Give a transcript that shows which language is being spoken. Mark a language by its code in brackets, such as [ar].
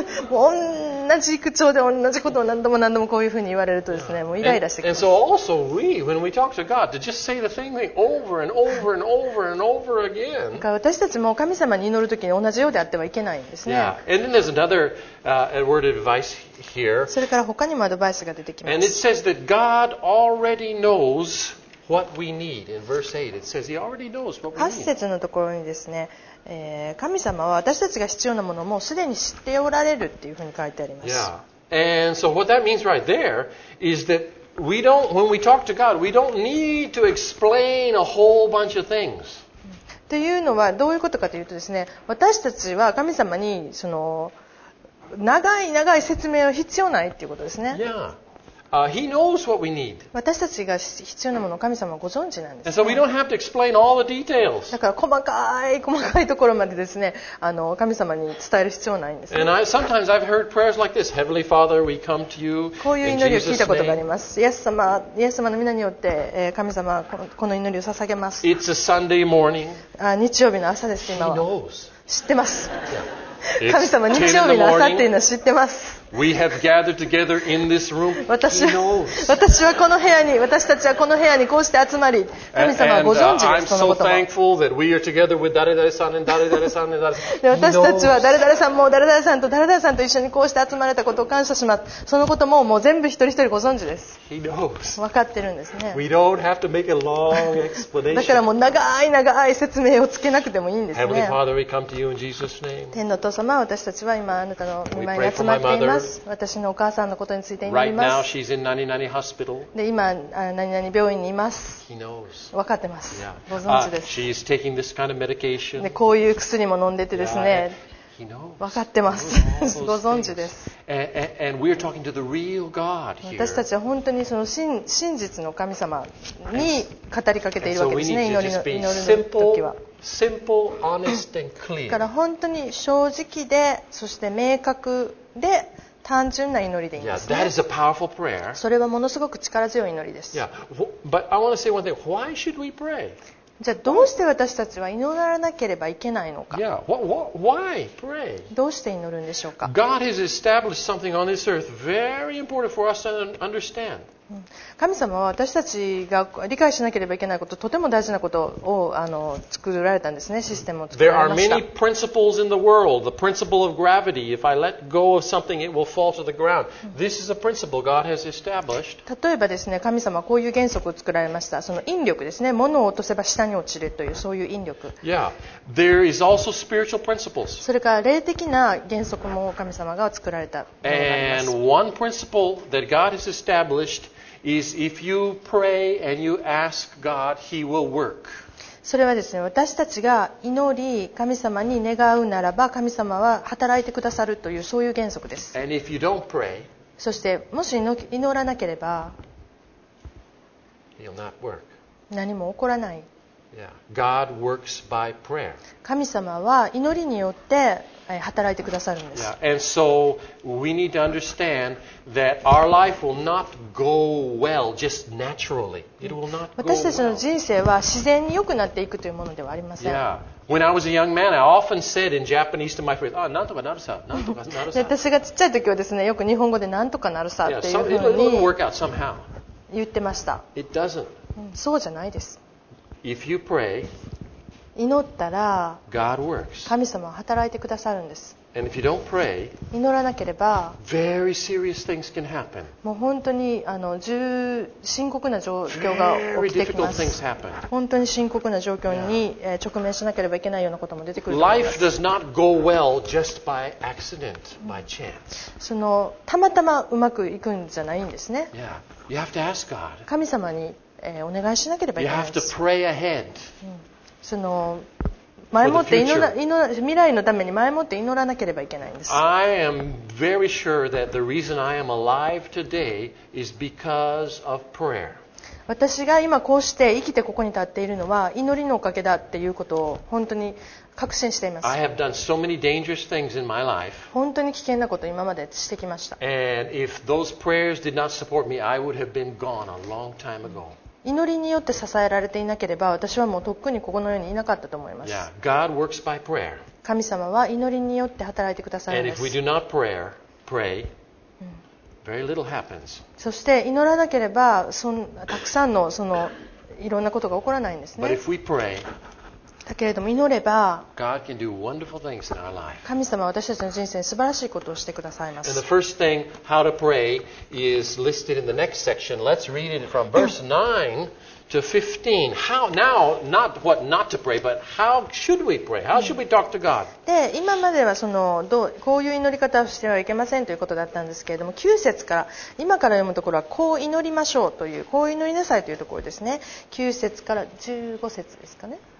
[ja] もう同じ口調で同じことを何度も何度もこういうふうに言われるとですね、もうイライラしてきます。 [en] And so also we, when we talk to God, to just say the same thing over and over and over and over again. [ja] 私たちも神様に祈るときに同じようであってはいけないんですね。 [en] Yeah. And then there's another, word advice here. [ja] それから他にもアドバイスが出てきます。 [en] And it says that God already knows what we need. In verse 8, it says He already knows what we need. 8節 [ja] のところにですね、神様は私たちが必要なものをもうすでに知っておられるというふうに書いてあります。 [en] Yeah. And so what that means right there is that we don't, when we talk to God, we don't need to explain a whole bunch of things. [ja] というのはどういうことかというとですね、私たちは神様にその長い長い説明は必要ないということですね。 [en] Yeah. He knows what we need. [ja] 私たちが必要なものを神様はご存知なんですね。 [en] And so we don't have to explain all the details. [ja] だから細かいところまでですね、神様に伝える必要ないんですね。 [en] And sometimes I've heard prayers like this. Heavenly Father, we come to you in Jesus' name. [ja] こういう祈りを聞いたことがあります。イエス様の皆によって、神様はこの祈りを捧げます。 [en] It's a Sunday morning. [ja] 日曜日の朝です、今は。 [en] He knows. [ja] 知ってます。Yeah. 神様、日曜日の朝っていうのは知ってます。 [en] We have gathered together in this room. [ja] 私たちはこの部屋にこうして集まり、神様はご存知です、そのことも。 [en] I'm so thankful that we are together with [ja] 誰々さんと誰々さんと誰々さん。私たちは誰々さんと一緒にこうして集まれたことを感謝します。そのことももう全部一人一人ご存知です。 [en] He knows. [ja] 分かってるんですね。 [en] We don't have to make a long explanation. [ja] だからもう長い長い説明をつけなくてもいいんですね。 [en] Heavenly Father, we come to you in Jesus' name. [ja] お父様、私たちは今あなたの御前に集まっています。私のお母さんのことについて祈ります。 [en] right now, she's in [ja] 何々で今何々病院にいます。 [en] He knows. [ja] 分かってます、 [en] yeah. [ja] ご存知です、 [en] she's taking this kind of medication. [ja] でこういう薬も飲んでてですね、 [en] yeah. He knows. [ja] 分かってます、ご存知です。 [en] and we're talking to the real God here. [ja] 私たちは本当にその 真実の神様に語りかけているわけですね、 [en] so、 [ja] 祈るの時は [en] Simple, honest and clear. [ja] だから本当に正直で、そして明確で、単純な祈りでいいんですね。 [en] Yeah, that is a powerful prayer. [ja] それはものすごく力強い祈りです。 [en] Yeah, but I want to say one thing. Why should we pray? [ja] じゃあどうして私たちは祈らなければいけないのか。 [en] Yeah, why pray? [ja] どうして祈るんでしょうか。 [en] God has established something on this earth very important for us to understand. [ja] 神様は私たちが理解しなければいけないこと、とても大事なことを作られたんですね、システムを作られました。 [en] There are many principles in the world. The principle of gravity. If I let go of something, it will fall to the ground. This is a principle God has established. [ja] 例えばですね、神様はこういう原則を作られました。その引力ですね、物を落とせば下に落ちるというそういう引力。 [en] Yeah. There is also spiritual principles. [ja] それから霊的な原則も神様が作られたものがあります [en] And one principle that God has establishedIs if you pray and you ask God, He will work. [ja] それはですね、私たちが祈り、神様に願うならば、神様は働いてくださるというそういう原則です。 [en] And if you don't pray, [ja] そしてもし祈らなければ、 [en] He'll not work. [ja] 何も起こらない。 [en] Yeah. God works by prayer. [ja] 神様は祈りによって働いてくださるんです。 [en] Yeah. And so we need to understand that our life will not go well just naturally. It will not go well. [ja] 私たちの人生は自然に良くなっていくというものではありません。 [en] Yeah. When I was a young man, I often said in Japanese to my friends, "Ah, [ja] なんとかなるさ、なんとかなるさ。私がちっちゃい時はですね、よく日本語でなんとかなるさっていうふうに、 [en] Yeah. It will work out somehow. [ja] 言ってました。 [en] It doesn't. [ja] そうじゃないです。 [en] If you pray. [ja] 祈ったら神様は働いてくださるんです。 [en] And if you don't pray, [ja] 祈らなければ [en] very serious things can happen. [ja] もう本当に深刻な状況が起きてきます。 [en] Very difficult things happen. [ja] 本当に深刻な状況に直面しなければいけないようなことも出てくると思います。 [en] Life does not go well just by accident, by chance. [ja] そのたまたまうまくいくんじゃないんですね。 [en] Yeah. You have to ask God. [ja] 神様に、お願いしなければいけないんです。 [en] You have to pray ahead. [ja] その前もって祈ら未来のために前もって祈らなければいけないんです。 [en] I am very sure that the reason I am alive today is because of prayer. [ja] 私が今こうして生きてここに立っているのは祈りのおかげだっていうことを本当に確信しています。 [en] I have done so many dangerous things in my life. [ja] 本当に危険なことを今までしてきました。 [en] And if those prayers did not support me, I would have been gone a long time ago. [ja] 祈りによって支えられていなければ私はもうとっくにここの世にいなかったと思います。 [en] Yeah, God works by prayer. [ja] 神様は祈りによって働いてくださるんです。 [en] And if we do not pray, very little happens. [ja] そして祈らなければたくさん の, そのいろんなことが起こらないんですね。 [en] But if we pray, [ja] だけれども祈れば [en] God can do wonderful things in our life. [ja] 神様は私たちの人生に素晴らしいことをしてくださいます。 [en] And the first thing, how to pray, is listed in the next section. Let's read it from verse 9 to 15. How, now, not what not to pray, but how should we pray? How should we talk to God? [ja] で、今まではこういう祈り方をしてはいけませんということだったんですけれども、9節から、今から読むところはこう祈りましょうという、こう祈りなさいというところですね。 9節から15節ですかね。